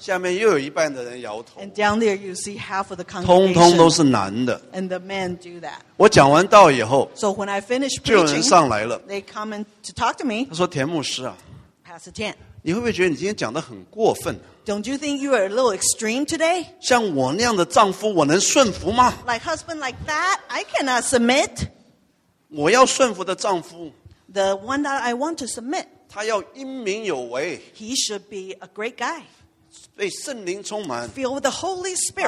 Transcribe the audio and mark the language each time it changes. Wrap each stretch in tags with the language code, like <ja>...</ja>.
<en>And down there you see half of the congregation. And the men do that.</en> <zh>我讲完道以后,</zh> <en>so when I finish preaching, they come and to talk to me.</en> <zh>他说田牧师啊,</zh> <en>Pastor Tian,</en> <zh>你会不会觉得你今天讲得很过分?</zh> <en>Don't you think you are a little extreme today?</en> <zh>像我那样的丈夫, 我能顺服吗?</zh> <en>Like husband like that, I cannot submit.</en> <zh>我要顺服的丈夫,</zh> <en>the one that I want to submit.</en> <zh>他要英明有为,</zh> <en>he should be a great guy.</en> <zh>被圣灵充满,</zh> <en>filled with the Holy Spirit.</en>